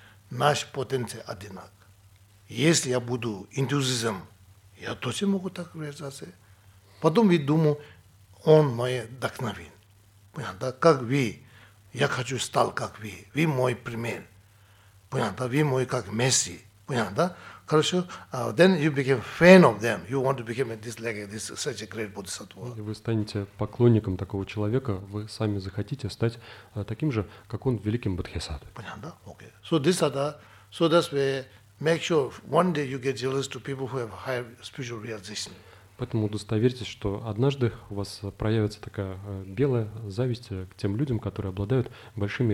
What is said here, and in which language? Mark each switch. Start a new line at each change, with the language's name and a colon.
Russian: Наш потенциал одинак. Если я буду энтузиазм, я точно могу так реализоваться. Потом я думаю, он мой вдохновен. Понятно? Как вы. Я хочу стать как вы. Вы мой пример. Понятно? Вы мой как Месси. Понятно?
English: хорошо, then you become fan of them. You want to become this like this such a great bodhisattva.
Russian: И вы станете поклонником такого человека, вы сами захотите стать таким же, как он, великим бодхисаттвой. Понятно, да? Okay.
English: So this are the, so that's where make sure one day you get jealous to people who have higher spiritual realization.
Russian: Поэтому удостоверьтесь, что однажды у вас проявится такая белая зависть к тем людям, которые обладают большими